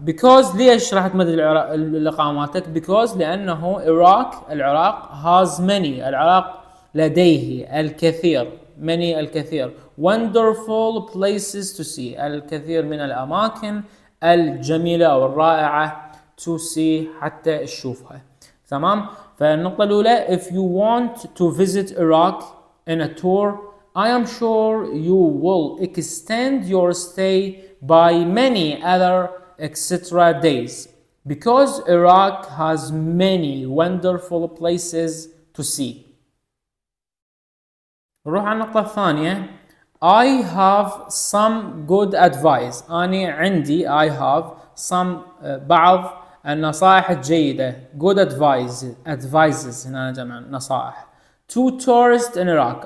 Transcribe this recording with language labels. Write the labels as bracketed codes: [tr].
[ar] because ليش راح تمدد الإقامة مالتك؟ because لأنه العراق العراق [en] has many [ar] العراق لديه الكثير many الكثير [en] wonderful places to see [ar] الكثير من الأماكن الجميلة أو الرائعة to see حتى تشوفها. تمام؟ فالنقطة الأولى [en] if you want to visit Iraq in a tour I am sure you will extend your stay by many other extra days because Iraq has many wonderful places to see. [ar] نروح على النقطة الثانية [en] I have some good advice. [ar] أني عندي [en] I have some [ar] بعض النصائح الجيدة. Good advices هنا جمع نصائح. [en] To tourists in Iraq.